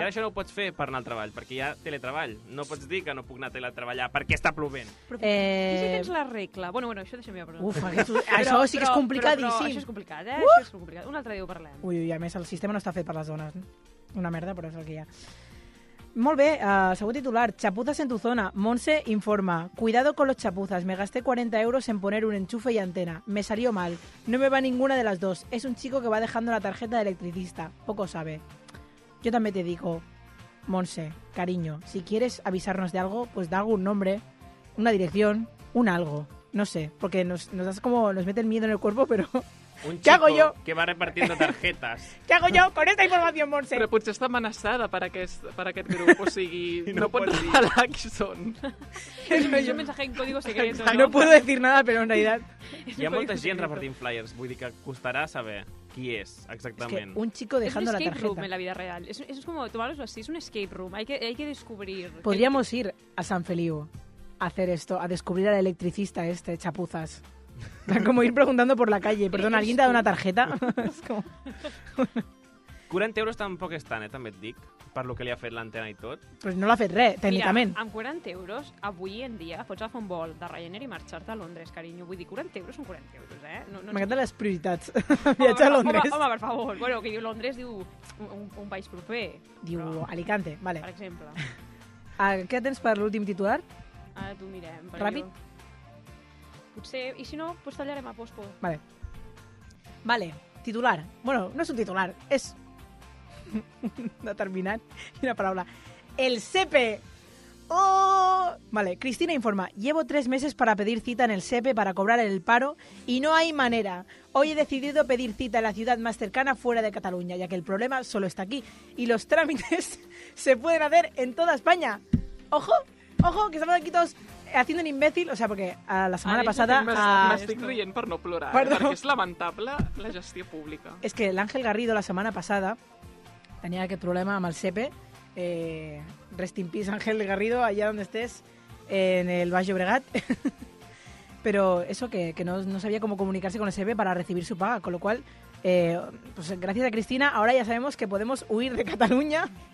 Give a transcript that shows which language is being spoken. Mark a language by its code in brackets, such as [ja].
[ca] I ara això no ho pots fer per anar al treball, perquè hi ha teletreball. No pots dir que no puc anar a teletreballar perquè està plovent. Però, I si tens la regla? Bueno, això deixa'm ja. Això sí que és complicadíssim. Però això és complicat, eh? Això és complicat. Un altre dia ho parlem. Ui, a més, el sistema no està fet per les dones. Una merda, però és el que hi ha. Molt bé, segon titular, [es] chapuzas en tu zona. Montse informa, cuidado con los chapuzas, me gasté 40 euros en poner un enchufe y antena. Me salió mal, no me va ninguna de las dos. Es un chico que va dejando la tarjeta de electricista, poco sabe. Yo también te digo, Montse, cariño, si quieres avisarnos de algo, pues da algún nombre, una dirección, un algo. No sé, porque nos das como, nos mete el miedo en el cuerpo, pero... Un chico hago yo? Que va repartiendo tarjetas. ¿Qué hago yo con esta información, Montse? [ca] Però potser està amenaçada per aquest grup, o sigui, no pot revelar qui són. [es] És un mensaje en código secreto. No puedo decir nada, pero en realidad... [ca] Hi ha molta gent repartint flyers, vull dir que costarà saber qui és exactament. [es] Es que un chico dejando la tarjeta. Es un escape room en la vida real. Eso es como tomarlo así, es un escape room, hay que descubrir. Podríamos ir a San Feliu hacer esto, a descubrir al electricista este, chapuzas. Como ir preguntando por la calle. Perdona, ¿alguien te da una tarjeta? Es como... [ca] 40 euros tampoc és tant, també et dic, per lo que li ha fet l'antena i tot. Pues no l'ha fet res, tècnicament. Mira, amb 40 euros, avui en dia, pots agafar un vol de Ryanair i marxar-te a Londres, carinyo. Vull dir, 40 euros són 40 euros, eh? No, no m'agraden les prioritats, viatjar a Londres. Home, per favor. Bueno, que diu Londres, diu un país proper. Diu però... Alicante, vale. Per exemple. Què tens per l'últim titular? Ara t'ho mirem. Ràpid. Potser, i si no, pues tallarem a posco. Vale. Vale, titular. Bueno, no és un titular, és... determinant, una paraula. El SEPE. ¡Oh! Vale, Cristina informa. [es] Llevo 3 meses para pedir cita en el SEPE para cobrar el paro y no hay manera. Hoy he decidido pedir cita en la ciudad más cercana fuera de Cataluña, ya que el problema solo está aquí y los trámites se pueden hacer en toda España. ¡Ojo! ¡Ojo! Que estamos aquí todos haciendo un imbécil, o sea, porque a la semana pasada... [ca] M'estic rient per no plorar, perdó. Perquè és lamentable la gestió pública. És que l'Àngel Garrido la setmana passada tenia aquest problema amb el SEPE. [en] Rest in peace, [ca] Ángel Garrido, allà on estés, en el Baix Llobregat. Però això, que no sabia com comunicar-se amb el SEPE per [es] recibir su paga. Con lo cual, pues [ca] gràcies a Cristina, ara ja sabem que podem huir de Catalunya